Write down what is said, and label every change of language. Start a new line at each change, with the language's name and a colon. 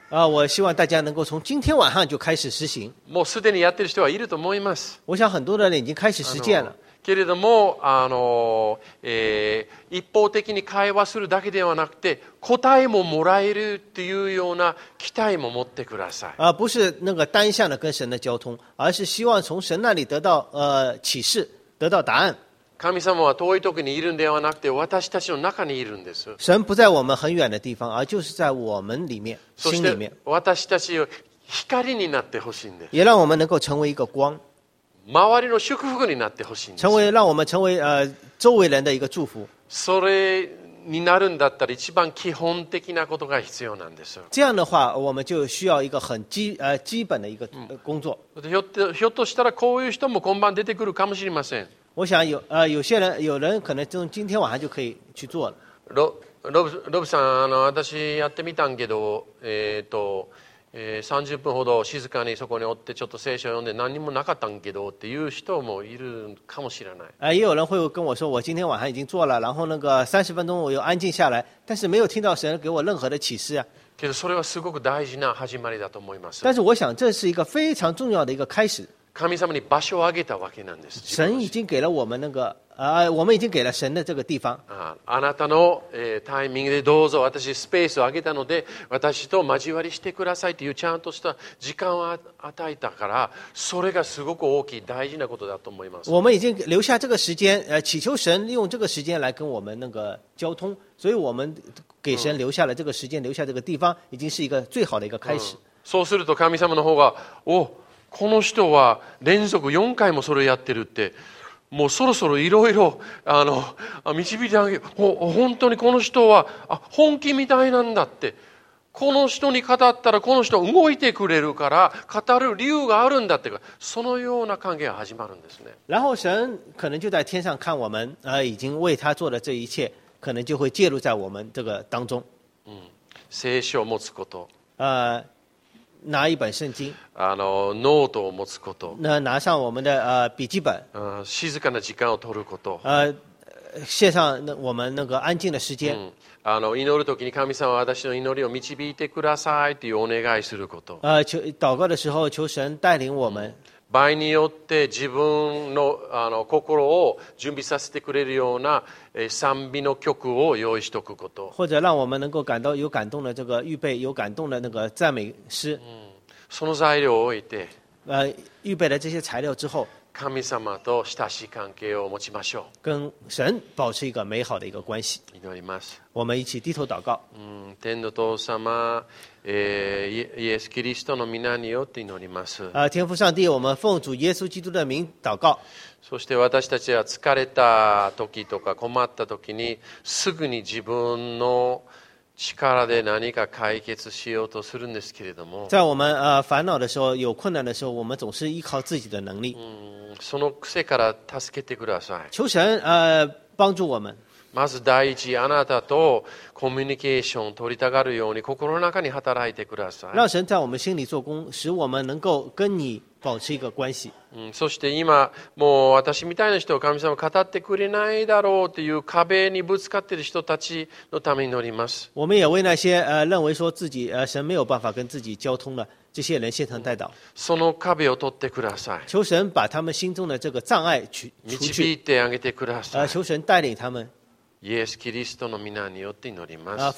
Chinese: 我希望大家能够从今天晚上就开始实行。
Japanese: もうすでにやってる人はいると思います。
Chinese: 我想很多的人已经开始实践了。
Japanese: けれども一方的に会話するだけではなくて、答えももらえるというような期待も持ってください。
Chinese: 不是那个单向的跟神的交通，而是希望从神那里得到启示，得到答案。
Japanese: 神様は遠い時にいるんではなくて、私たちの中にいるんです。
Chinese: 神不在我们很远的地方，而就是在我们里面，心里面。
Japanese: そして私たちを光になってほしいんです。
Chinese: 也让我们能够成为一个光，
Japanese: 周りの祝福になってほしいんです。
Chinese: 让我们成为周围人的一个祝福。
Japanese: それになるんだったら一番基本的なことが必要なんです。
Chinese: 这样的话，我们就需要一个很基本的一个工作。
Japanese: ひょっとしたらこういう人も今晩出てくるかもしれません。
Chinese: 我想有些人，有人可能从今天晚上就可以去做了。
Japanese: ロブさん、私やってみたんけど、30分ほど静かにそこにおってちょっと聖書を読んで何もなかったんけどっていう人もいるかもしれない。
Chinese: 也有人会跟我说我今天晚上已经做了，然后那个30分钟我又安静下来，但是没有听到神给我任何的启示啊。
Japanese: けどそれはすごく大事な始まりだと思います。
Chinese: 但是我想这是一个非常重要的一个开始。
Japanese: 神様に場所をあげたわけなんです。
Chinese: 神已经给了我们那个我们已经给了神的这个地方。
Japanese: あなたの、タイミングでどうぞ、私スペースをあげたので私と交わりしてくださいというちゃんとした時間を与えたから、それがすごく大きい大事なことだと思います。
Chinese: 我们已经留下这个时间，祈求神利用这个时间来跟我们那个交通，所以我们给神留下了这个时间，留下这个地方已经是一个最好的一个开始。
Japanese: そうすると神様の方が、おこの人は連続4回もそれやってるって、もうそろそろいろいろ導いてあげる、本当にこの人は本気みたいなんだってこの人に語ったらこの人動いてくれるから語る理由があるんだって、そのような関係が始まるんですね。
Chinese: 然后神可能就在天上看我们、已经为他做的这一切可能就会介入在我们这个当中、
Japanese: 聖書を持つこと、
Chinese: 拿一本圣经、
Japanese: ノートを持つこと、
Chinese: 拿上我们的、笔记本、
Japanese: 静かな時間を取ること、
Chinese: 写上我们那个安静的时间、
Japanese: 祈る時に神様は私の祈りを導いてくださいというお願いすること、
Chinese: 祷告的时候求神带领我们、
Japanese: 場合によって自分 の、 心を準備させてくれるような、賛美の曲を用意しておくこと、
Chinese: 或者让我们能够感到有感动的这个预备有感动的那个赞美诗、
Japanese: その材料を置いて、
Chinese: 预备了这些材料之后、
Japanese: 神様と親しい関係を持ちましょう、
Chinese: 跟神保持一个美好的一个关系、
Japanese: 祈ります、
Chinese: 我们一起低头祷告、
Japanese: 天の父様、イエスキリストの御名によって祈ります、
Chinese: 天父上帝、我们奉主耶稣基督的名祷告、
Japanese: そして私たちは疲れた時とか困った時にすぐに自分の力で何か解決しようとするんですけれども、
Chinese: 在我们、烦恼的时候有困难的时候我们总是依靠自己的能力、
Japanese: その癖から助けてください、
Chinese: 求神、帮助我们、
Japanese: まず第一あなたとコミュニケーションを取りたがるように心の中に働いてください、
Chinese: 让神在我们心里做工使我们能够跟你保持一个关系、
Japanese: そして今もう私みたいな人を神様語ってくれないだろうという壁にぶつかっている人たちのために祈ります、
Chinese: 我们也为那些、认为说自己、神没有办法跟自己交通了这些人献上代祷、
Japanese: その壁を取ってください、
Chinese: 求神把他们心中的这个障碍除去、
Japanese: 導いてあげてください、
Chinese: 求神带领他们、
Japanese: イエスキリストの御名によって祈ります、